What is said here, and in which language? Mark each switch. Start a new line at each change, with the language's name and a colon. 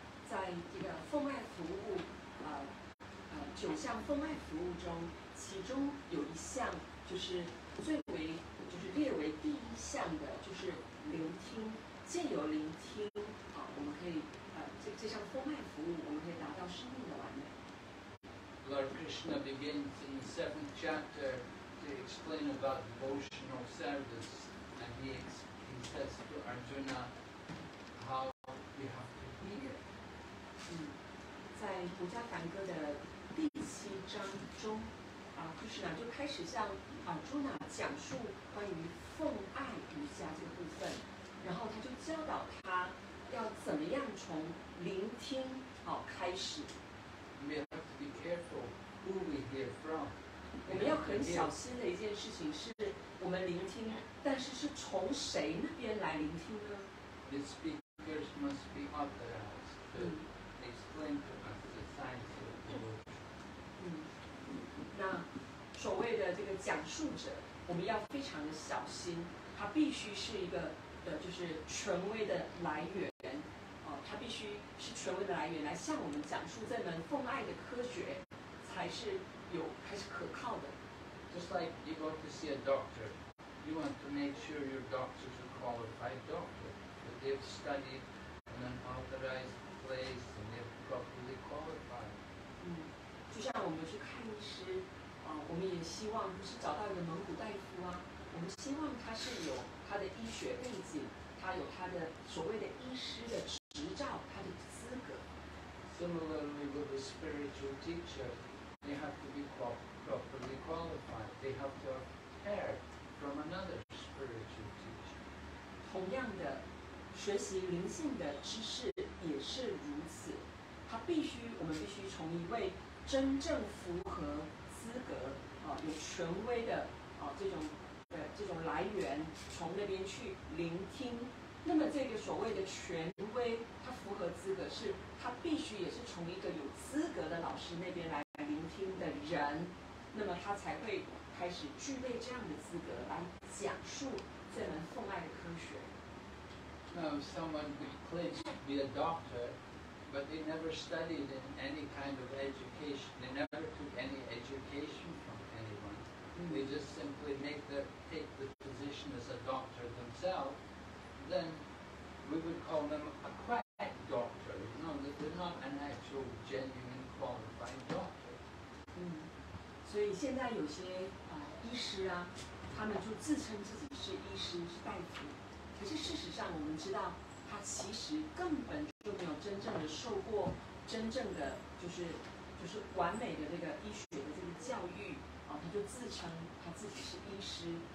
Chinese: 在这个奉爱服务中，其中有一项就是最为就是列为第一项的，就是聆听，借由聆听啊，我们可以这项奉爱服务，我们可以达到生命的完美。
English: Lord Krishna begins in the 7th chapter to explain about devotional service, and he says to Arjuna how you have to hear.
Chinese: 在胡迦梵歌的第七章中。 Krishna 就开始向Arjuna 讲述关于奉爱瑜伽这个部分，然后他就教导他要怎么样从聆听开始。
English: We have to be careful who we hear from.
Chinese: 我们要很小心的一件事情是我们聆听，但是是从谁那边来聆听呢？
English: The speakers must be authorized to explain to us the science of devotion.
Chinese: 那所谓的这个讲述者，我们要非常的小心，他必须是一个就是权威的来源，他必须是权威的来源来向我们讲述这门奉爱的科学，才是可靠的。
English: Just like you go to see a doctor, you want to make sure your doctor is a qualified doctor, that they've studied in an authorized place and they're properly qualified.
Chinese: 就像我们去看医师，我们也希望不是找到一个蒙古大夫啊，我们希望他是有他的医学背景，他有他的所谓的医师的执照，他的资格。
English: Similarly, with a spiritual teacher, they have to be properly qualified. They have to hear from another spiritual teacher.
Chinese: 同样的，学习灵性的知识也是如此，我们必须从一位真正符合资格有权威的这种来源从那边去聆听。那么这个所谓的权威，他符合资格是他必须也是从一个有资格的老师那边来聆听的人，那么他才会开始具备这样的资格来讲述这门奉爱的科学。
English: Someone who claims to be a doctorBut they never studied in any kind of education. They never took any education from anyone. They just simply take the position as a doctor themselves. Then we would call them a quack doctor. No, they're not an actual genuine qualified doctor.
Chinese: 所以现在有些医师啊，他们就自称自己是医师是大夫，可是事实上我们知道他其实根本就没有真正的受过真正的就是完美的这个医学的这个教育啊，他就自称他自己是医师。